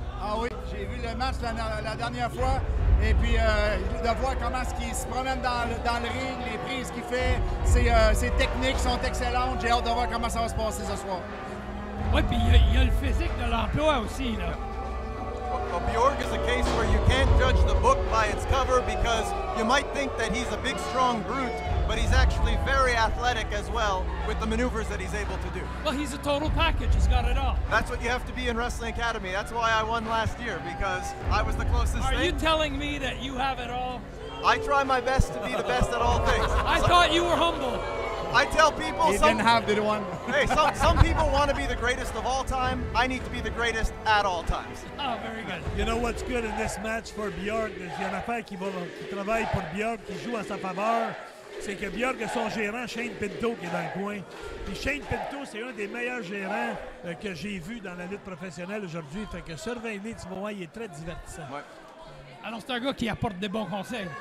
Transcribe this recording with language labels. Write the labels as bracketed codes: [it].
[fr] Ah oui, j'ai vu le match la dernière fois. Et puis, de voir comment est-ce qu'il se promène dans le ring, les prises qu'il fait, ses techniques sont excellentes. J'ai hâte de voir comment ça va se passer ce soir. Oui, puis il y a le physique de l'emploi aussi, là. [en] Well, Bjorg is a case where you can't judge the book by its cover because you might think that he's a big, strong brute, but he's actually very athletic as well with the maneuvers that he's able to do. Well, he's a total package. He's got it all. That's what you have to be in Wrestling Academy. That's why I won last year, because I was the closest Are Are you telling me that you have it all? I try my best to be the best at all things. I thought you were humble. I tell people he didn't have the one. Hey, some people want to be the greatest of all time. I need to be the greatest at all times. Oh, very good. You know what's good in this match for Bjorg? [fr] Il y a une affaire qui travaille pour Bjorg, qui joue à sa faveur. C'est que Bjorg a son gérant, Shane Pinto, qui est dans le coin. Puis Shane Pinto, c'est un des meilleurs gérants que j'ai vu dans la lutte professionnelle aujourd'hui. Fait que surveille-le, tu vois, il est très divertissant. Ouais. Alors, c'est un gars qui apporte des bons conseils.